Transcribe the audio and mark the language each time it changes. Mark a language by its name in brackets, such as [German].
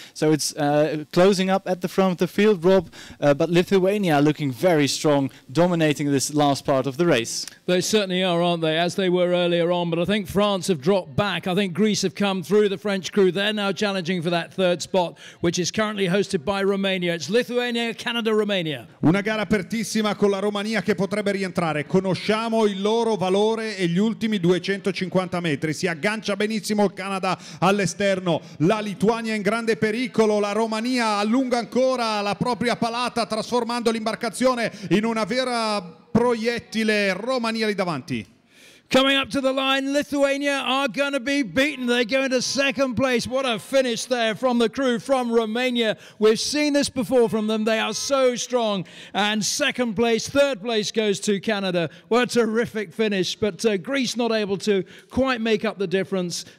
[English] So it's closing up at the front of the field, Rob, but Lithuania looking very strong, dominating this last part of the race. They certainly are, aren't they, as they were earlier on, but I think France have dropped back. I think Greece have come through the French crew. They're now challenging for that third spot, which is currently hosted by Romania. It's Lithuania, Canada, Romania. [Italian] Una gara apertissima con la Romania che potrebbe rientrare. Conosciamo il loro valore e gli ultimi 250 metri. Si aggancia benissimo il Canada all'esterno. La Lituania in grande pericolo. La Romania allunga ancora la propria palata, trasformando l'imbarcazione in una vera proiettile. Romania lì davanti. [English] Coming up to the line, Lithuania are going to be beaten. They go into second place. What a finish there from the crew from Romania. We've seen this before from them. They are so strong. And second place, third place goes to Canada. What a terrific finish. But Greece not able to quite make up the difference.